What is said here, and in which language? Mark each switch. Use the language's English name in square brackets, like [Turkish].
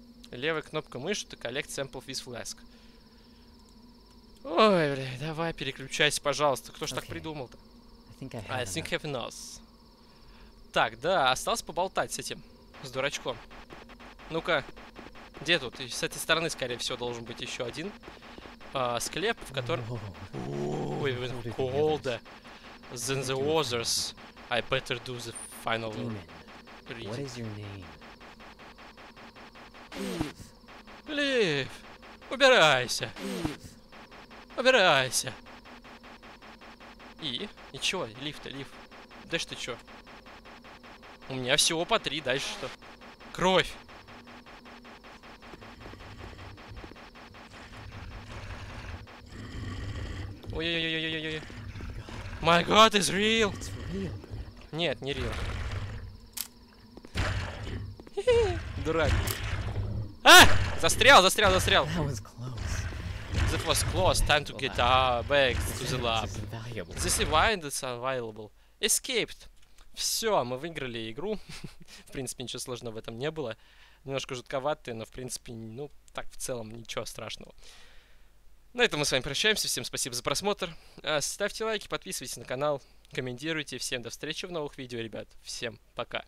[Russian] Левая кнопка мыши — это [English] Collect Sample with Flask. [Russian] Ой, бля, давай, переключайся, пожалуйста. Кто ж так придумал-то? [English] I think I have enough. [Russian] Так, да, осталось поболтать с этим, с дурачком. Ну-ка, где тут? И с этой стороны, скорее всего, должен быть еще один склеп, в котором... [English] Ой, even colder than the others. I better do the final read. What is your name? [Russian] Лив, убирайся. Убирайся. И чё? Лив-то, Лив. Да что ты чё? У меня всего по три, дальше что? Кровь. Ой-ой-ой-ой-ой-ой. [English] My God is real. It's real. [Russian] Нет, не real. Дурак. А! Застрял, застрял, застрял. [English] That was close. That was close. Time to get back to the lab. This is why it's available. [Russian] Escaped. Все, мы выиграли игру. В принципе, ничего сложного в этом не было. Немножко жутковатые, но в принципе, ну, так в целом ничего страшного. На этом мы с вами прощаемся. Всем спасибо за просмотр. Ставьте лайки, подписывайтесь на канал, комментируйте. Всем до встречи в новых видео, ребят. Всем пока.